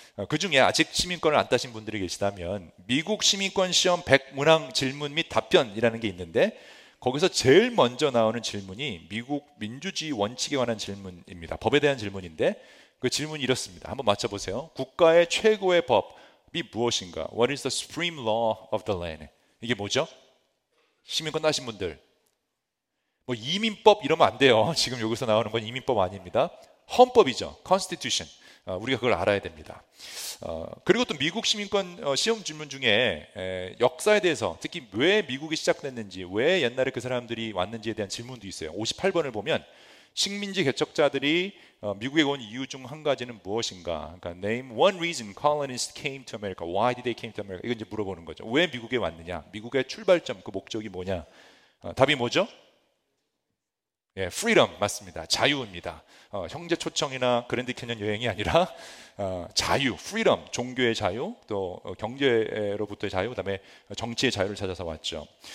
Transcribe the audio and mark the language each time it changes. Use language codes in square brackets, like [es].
[ko] 그 중에 아직 시민권을 안 따신 분들이 계시다면 미국 시민권 시험 100문항 질문 및 답변이라는 게 있는데 거기서 제일 먼저 나오는 질문이 미국 민주주의 원칙에 관한 질문입니다. 법에 대한 질문인데 그 질문이 이렇습니다. 한번 맞춰보세요. 국가의 최고의 법이 무엇인가? [en] What is the supreme law of the land? [ko] 이게 뭐죠? 시민권 따신 분들 뭐 이민법 이러면 안 돼요. 지금 여기서 나오는 건 이민법 아닙니다. 헌법이죠. Constitution. 우리가 그걸 알아야 됩니다. 그리고 또 미국 시민권 시험 질문 중에 역사에 대해서 특히 왜 미국이 시작됐는지 왜 옛날에 그 사람들이 왔는지에 대한 질문도 있어요. 58번을 보면 식민지 개척자들이 미국에 온 이유 중 한 가지는 무엇인가? 그러니까 [en] name one reason colonists came to America. Why did they came to America? [ko] 이건 이제 물어보는 거죠. 왜 미국에 왔느냐? 미국의 출발점, 그 목적이 뭐냐? 답이 뭐죠? 예, freedom 맞습니다. 자유입니다. 형제 초청이나 그랜드 캐년 여행이 아니라 자유, freedom, 종교의 자유, 또 경제로부터의 자유, 그다음에 정치의 자유를 찾아서 왔죠.